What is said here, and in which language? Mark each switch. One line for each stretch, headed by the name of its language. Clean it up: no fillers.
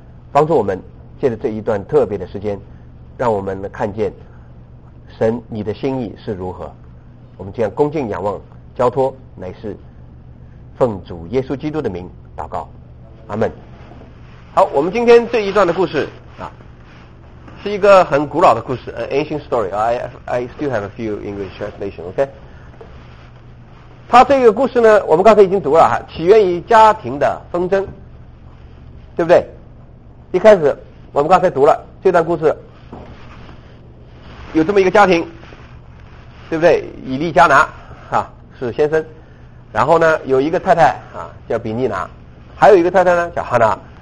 Chinese: 帮助我们借着这一段特别的时间，让我们看见神你的心意是如何。我们这样恭敬仰望交托，乃是奉主耶稣基督的名祷告，阿们。好，我们今天这一段的故事啊，是一个很古老的故事，
English: ancient story. I still have a few English translation.
Chinese: OK,他这个故事呢，我们刚才已经读了，起源于家庭的纷争，对不对？一开始我们刚才读了这段故事，有这么一个家庭，对不对？以利加拿啊是先生，然后呢有一个太太啊叫比尼拿，还有一个太太呢叫哈拿。